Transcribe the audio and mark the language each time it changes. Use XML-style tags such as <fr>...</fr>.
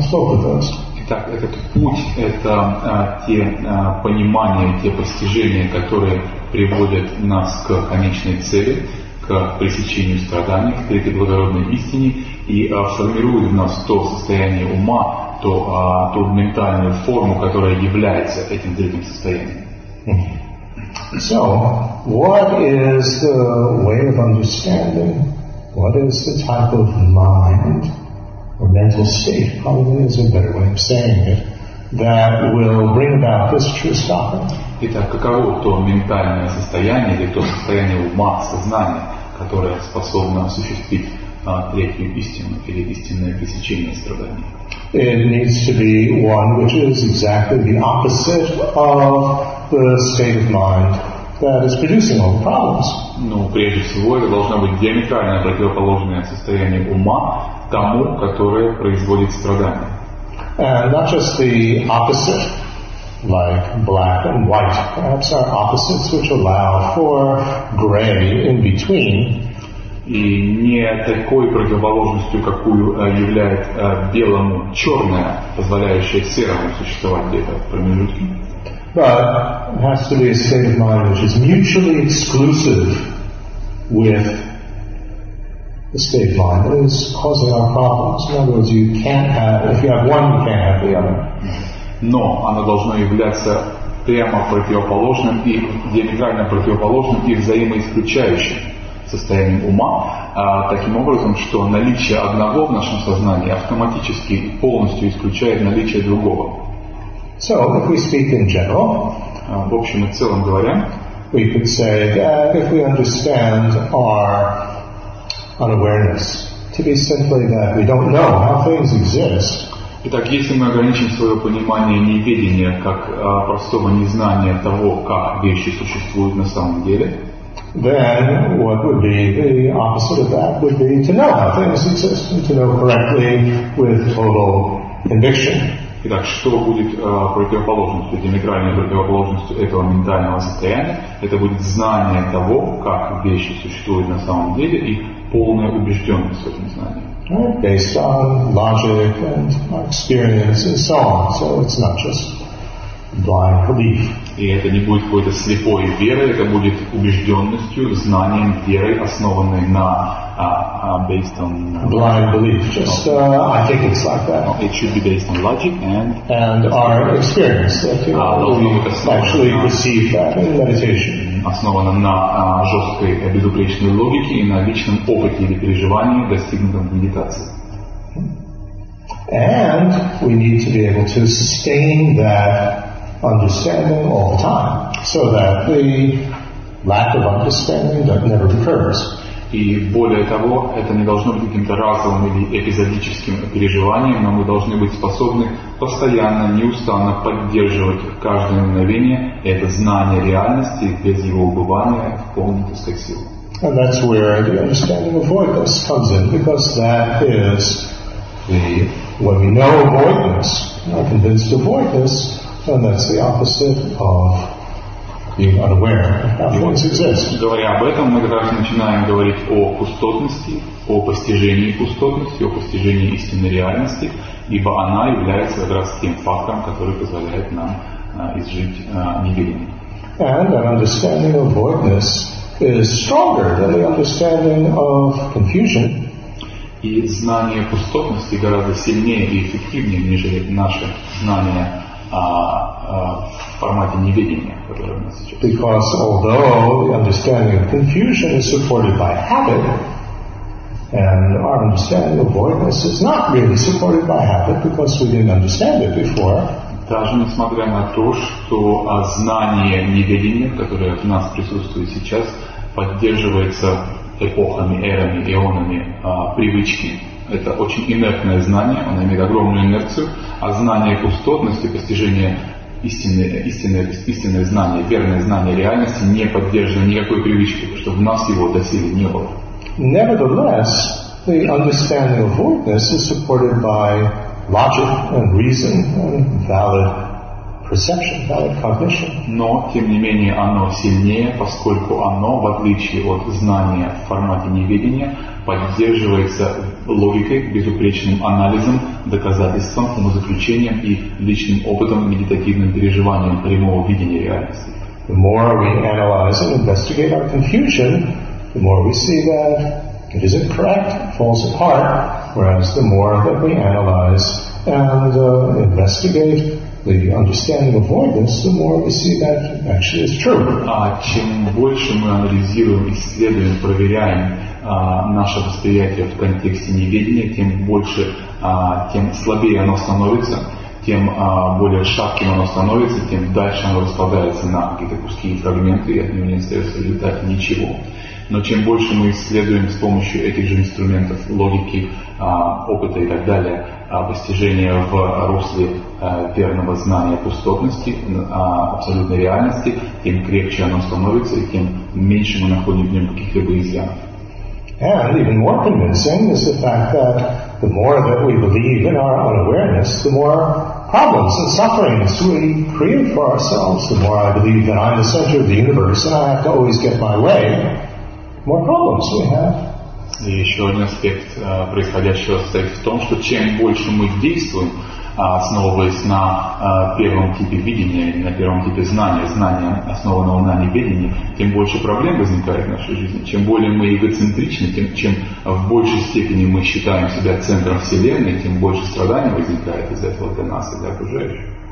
<en>It's both of those.</en> <ru>Итак, этот путь — это те понимания, те постижения, которые приводят нас к конечной цели, к пресечению страданий, к третьей благородной истине, и формирует в нас то состояние ума, то ту ментальную форму, которая является этим третьим состоянием.</ru> <en>So, what is the way of understanding? What is the type of mind or mental state? Probably is a better way of saying it. That will bring about this true stopping.</en> <ru>Итак, каково то ментальное состояние или то состояние ума, сознания, которое способно осуществить третью истину или истинное пресечение страданий?</ru> <en>It needs to be one which is exactly the opposite of the state of mind that is producing all the problems.</en> <ru>Ну, прежде всего, это должно быть диаметрально противоположное состояние ума тому, которое производит страдания.</ru> <en>And not just the opposite, like black and white. Perhaps are opposites which allow for gray in between.</en> <ru>И не такой противоположностью, какую являет белому черное, позволяющее серому существовать где-то в промежутке.</ru> <en>But it has to be a state of mind which is mutually exclusive with the state of mind that is causing our problems. In other words, you can't have, if you have one, you can't have the other.</en> <ru>Но оно должно являться прямо противоположным и диаметрально противоположным и взаимоисключающим состоянием ума, таким образом, что наличие одного в нашем сознании автоматически полностью исключает наличие другого.</ru> <en>So, if we speak in general,</en> <ru>в общем и целом говоря,</ru> <en>we could say that if we understand our unawareness, to be simply that we don't know how things exist.</en> <ru>Итак, если мы ограничим свое понимание неведения как простого незнания того, как вещи существуют на самом деле,</ru> <en>then what would be the opposite of that would be to know how things exist, to know correctly with total conviction.</en> <ru>Итак, что будет противоположностью, диаметральной противоположностью этого ментального состояния? Это будет знание того, как вещи существуют на самом деле, и полная убежденность в этом знании.</ru> <en>Right, based on logic and experience and so on. So it's not just blind belief.</en> <ru>И это не будет какой-то слепой верой, это будет убежденностью, знанием, верой, основанной на</ru> <en>based on blind belief. Just I think it's like that. It should be based on logic and our experience that you actually receive that in meditation.</en> <ru>Основана на жесткой безупречной логике и на личном опыте или переживании, достигнутом в медитации.</ru> <en>And we need to be able to sustain that understanding all the time, so that the lack of understanding that never recurs.</en> <ru>И более того, это не должно быть каким-то разовым или эпизодическим переживанием, но мы должны быть способны постоянно, неустанно поддерживать в каждое мгновение это знание реальности без его убывания в полной, так сказать, силе.</ru> <en>And that's where the understanding of voidness comes in, because that is when we know voidness, we're convinced of voidness, and that's the opposite of being unaware of how things exist.</en> <ru>Говоря об этом, мы как раз начинаем говорить о пустотности, о постижении пустотности, о постижении истинной реальности, ибо она является как раз тем фактором, который позволяет нам изжить неведение.</ru> <en>And an understanding of voidness is stronger than the understanding of confusion.</en> <ru>И знание пустотности гораздо сильнее и эффективнее, нежели наше знание в формате неведения, которое у нас сейчас.</ru> <en>Because although the understanding of confusion is supported by habit, and our understanding of voidness is not really supported by habit because we didn't understand it before.</en> <ru>Даже несмотря на то, что знание неведения, которое в нас присутствует сейчас, поддерживается эпохами, эрами, эонами привычки. Это очень инертное знание, оно имеет огромную инерцию, а знание пустотности, постижение истинное знание, верное знание реальности не поддерживает никакой привычки, потому что в нас его до сих не было.</ru> <en>Nevertheless, the understanding of voidness is supported by logic and reason and valid perception, valid cognition.</en> <ru>Но, тем не менее, оно сильнее, поскольку оно, в отличие от знания в формате неведения, поддерживается логикой, безупречным анализом, доказательством, умозаключением и личным опытом, медитативным переживанием прямого видения реальности.</ru> <en>The more we analyze and investigate our confusion, the more we see that it is incorrect, falls apart, whereas the more that we analyze and investigate the understanding of voidness, the more we see that actually is true.</en> <ru>Чем больше мы анализируем, исследуем, проверяем наше восприятие в контексте неведения, тем больше, тем слабее оно становится, тем более шатким оно становится, тем дальше оно распадается на какие-то куски и фрагменты, и от него не остается в результате ничего. Но чем больше мы исследуем с помощью этих же инструментов логики, опыта и так далее, постижение в русле верного знания пустотности, абсолютной реальности, тем крепче оно становится, и тем меньше мы находим в нем каких-либо изъянов.</ru> <en>And even more convincing is the fact that the more that we believe in our unawareness, the more problems and sufferings we create for ourselves. The more I believe that I'm the center of the universe and I have to always get my way, the more problems we have.</en> <ru>И еще один аспект происходящего состоит в том, что чем больше мы действуем, основываясь на первом типе видения, на первом типе знания, знания, основанного на неведении, тем больше проблем возникает в нашей жизни. Чем более мы эгоцентричны, тем чем в большей степени мы считаем себя центром Вселенной, тем больше страданий возникает из этого для нас и для окружающих.</ru>